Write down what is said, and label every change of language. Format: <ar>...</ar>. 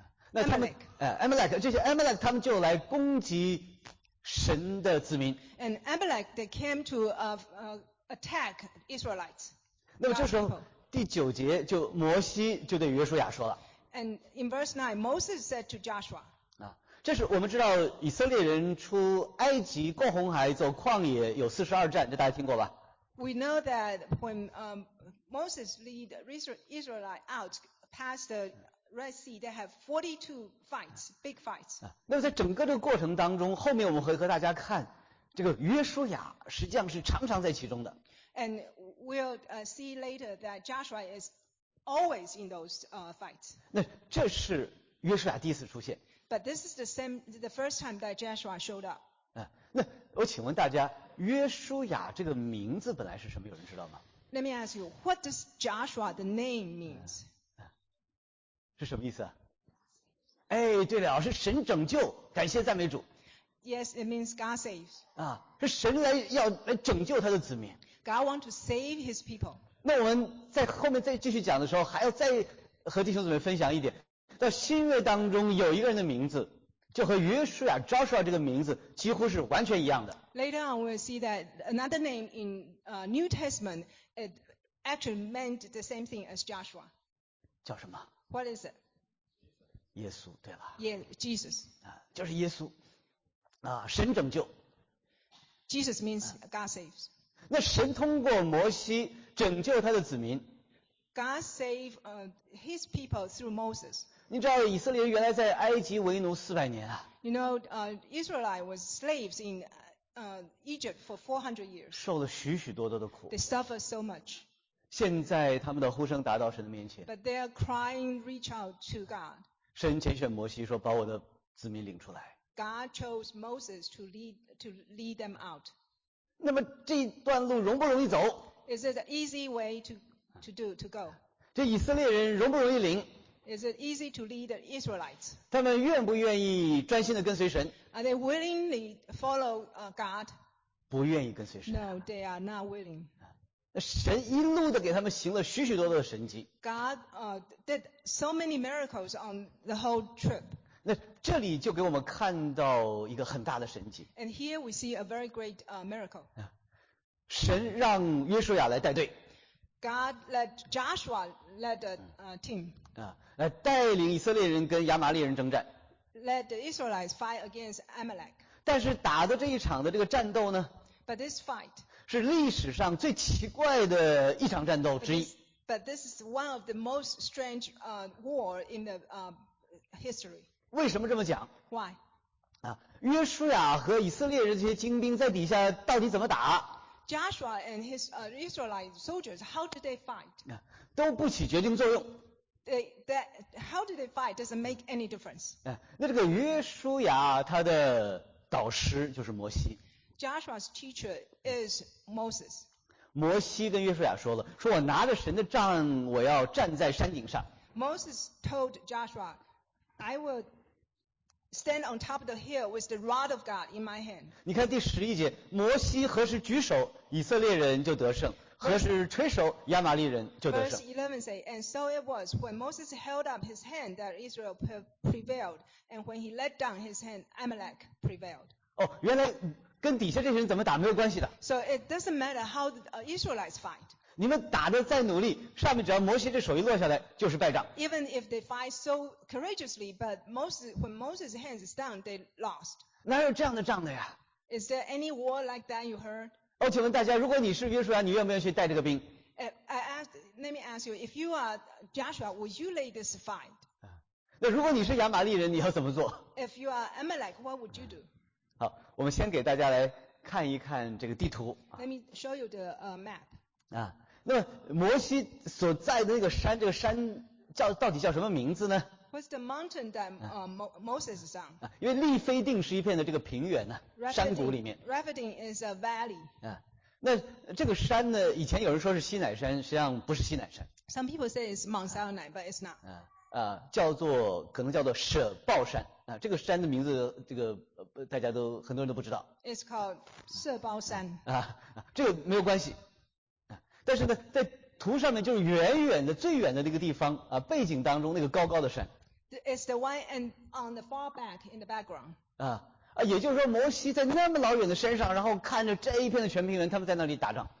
<zh>那他们 Amalek 这些 Amalek 他们就来攻击神的子民。</zh> <en>And Amalek they came to attack Israelites.</en> <zh>那么这时候第九节就摩西就对约书亚说了。</zh> <en>And in verse 9, Moses said to Joshua.</en> <zh>啊，这是我们知道以色列人出埃及过红海走旷野有四十二战，这大家听过吧？</zh> <en>We know that when Moses lead Israelite out past the Red Sea, they have 42 fights, big fights.</en> <zh>那么在整个这个过程当中，后面我们会和大家看，这个约书亚实际上是常常在其中的。</zh> <en>And we'll see later that Joshua is always in those fights.</en> <zh>那这是约书亚第一次出现。</zh> <en>But this is the first time that Joshua showed up.</en> <zh>那我请问大家。约书亚这个名字本来是什么？有人知道吗</zh> <en>？Let me ask you, what does Joshua the name means?</en> <zh>是什么意思啊？哎，对了，是神拯救，感谢赞美主。</zh> <en>Yes, it means God saves.</en> <zh>啊，是神来拯救他的子民。</zh> <en>God want to save His people.</en> <zh>那我们在后面再继续讲的时候，还要再和弟兄姊妹分享一点，在新约当中有一个人的名字。就和约书亚 Joshua 这个名字几乎是完全一样的。</zh> <en>Later on, we'll see that another name in New Testament it actually meant the same thing as Joshua.</en> <zh>叫什么</zh> <en>？What is it?</en> <zh>耶稣，对了。</zh> <en>Yeah, Jesus.</en> <zh>啊，就是耶稣。啊，神拯救。</zh> <en>Jesus means God saves.</en> <zh>那神通过摩西拯救他的子民。</zh> <en>God save His people through Moses.</en> <zh>你知道以色列原来在埃及为奴四百年啊</zh> <en>？You know, Israelite was slaves in Egypt for 400 years.</en> <zh>受了许许多多的苦。</zh> <en>They suffer so much.</en> <zh>现在他们的呼声达到神的面前。</zh> <en>But they are crying, reach out to God.</en> <zh>神拣选摩西说：“把我的子民领出来。</zh> <en>”God chose Moses to lead them out.</en> <zh>那么这段路容不容易走</zh> <en>？Is it an easy way to go?</en> <zh>这以色列人容不容易领？</zh> <en>Is it easy to lead the Israelites?</en> <zh>他们愿不愿意专心的跟随神</zh> <en>？Are they willingly follow God?</en> <zh>不愿意跟随神。</zh> <en>No, they are not willing.</en> <zh>神一路的给他们行了许许多多的神迹。</zh> <en>God did so many miracles on the whole trip.</en> <zh>那这里就给我们看到一个很大的神迹。</zh> <en>And here we see a very great miracle.</en> <zh>神让约书亚来带队。</zh> <en>God led Joshua led the team.</en> <zh>来带领以色列人跟亚玛利人征战。</zh> <en>Led the Israelites fight against Amalek.</en> <zh>但是打的这一场的这个战斗呢</zh> <en>？But this fight</en> <zh>是历史上最奇怪的一场战斗之一。</zh> <en>But this is one of the most strange war in the history.</en> <zh>为什么这么讲</zh> <en>？Why？</en> <zh>约书亚和以色列人这些精兵在底下到底怎么打？</zh> <en>Joshua and his Israelite soldiers, how do they fight?</en> <zh>都不起决定作用。</zh> <en>How do they fight? Doesn't make any difference.</en> <zh>那这个约书亚他的导师就是摩西。</zh> <en>Joshua's teacher is Moses.</en> <zh>摩西跟约书亚说了，说我拿着神的杖，我要站在山顶上。</zh> <en>Moses told Joshua, I will stand on top of the hill with the rod of God in my hand.</en> <zh>你看第十一节，摩西何时举手，以色列人就得胜。何时吹手，亚玛利人就得胜。</zh> <en>Verse 11 say, and so it was when Moses held up his hand that Israel prevailed, and when he let down his hand, Amalek prevailed.</en> <zh>哦，原来跟底下这些人怎么打没有关系的。</zh> <en>So it doesn't matter how the Israelites fight.</en> <zh>你们打得再努力，上面只要摩西这手一落下来，就是败仗。</zh> <en>Even if they fight so courageously, but when Moses' hand is down, they lost.</en> <zh>哪有这样的仗的呀？</zh> <en>Is there any war like that you heard?</en> <zh>我请问大家，如果你是约书亚，你愿不愿意去带这个兵？</zh> <en>Let me ask you, if you are Joshua, would you lead this fight?</en> <zh>那如果你是亚玛利人，你要怎么做？</zh> <en>If you are Amalek, what would you do?</en> <zh>好，我们先给大家来看一看这个地图。</zh> <en>Let me show you the map.</en> <zh>那摩西所在的那个山，这个山叫到底叫什么名字呢？</zh> <en>What's the mountain that Moses is on?</en> <zh>因为利非定是一片的这个平原呢、啊，</zh> <en>Rephidim,</en> <zh>山谷里面。</zh> <en>Rephidim is a valley.</en> <zh>那这个山呢，以前有人说是西乃山，实际上不是西乃山。</zh> <en>Some people say it's Mount Sinai, but it's not.</en> <zh>叫做舍报山啊，这个山的名字这个大家都很多人都不知道。</zh> <en>It's called 舍报山。</en> <zh>这个没有关系。但是呢，在图上面就是远远的最远的那个地方啊，背景当中那个高高的山。</zh> <en>It's the one and on the far back in the background.</en> <zh>也就是说摩西在那么老远的山上，然后看着这一片的全平原，他们在那里打仗。</zh>